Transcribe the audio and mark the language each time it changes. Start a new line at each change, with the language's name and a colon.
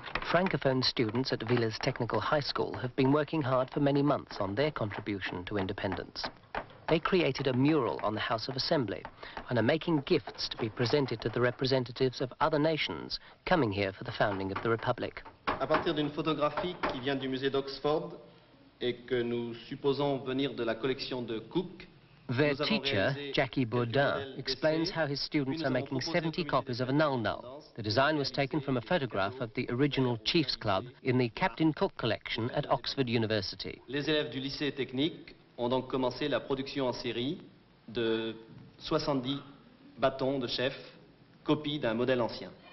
English: Francophone students at Villa's Technical High School have been working hard for many months on their contribution to independence. They created a mural on the House of Assembly and are making gifts to be presented to the representatives of other nations coming here for the founding of the Republic.
French: À partir d'une photographie qui vient du musée d'Oxford et que nous supposons venir de la collection de Cook.
English: Their teacher, Jackie Bourdin, explains how his students are making 70 copies of a Null Null. The design was taken from a photograph of the original Chiefs Club in the Captain Cook collection at Oxford University.
French: Les élèves du lycée technique ont donc commencé la production en série de 70 bâtons de chef, copies d'un modèle ancien.